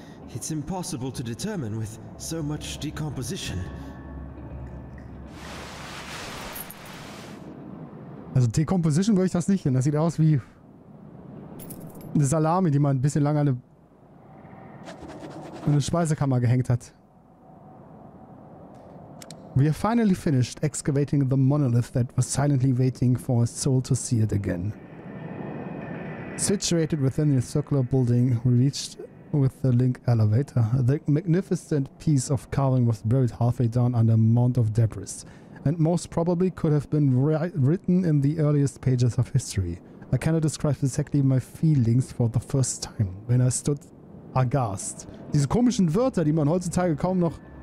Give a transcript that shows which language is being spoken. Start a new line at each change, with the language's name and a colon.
English: It's impossible to determine with so much decomposition.
German: Also Decomposition würde ich das nicht nennen. Das sieht aus wie eine Salami, die man ein bisschen lange in eine Speisekammer gehängt hat.
English: We have finally finished excavating the monolith that was silently waiting for a soul to see it again. Situated within the circular building, we reached with the link elevator. The magnificent piece of carving was buried halfway down under a mound of debris, and most probably could have been written in the earliest pages of history. I cannot describe exactly my feelings for the first time, when I stood aghast.
German: Diese komischen Wörter, die man heutzutage kaum noch...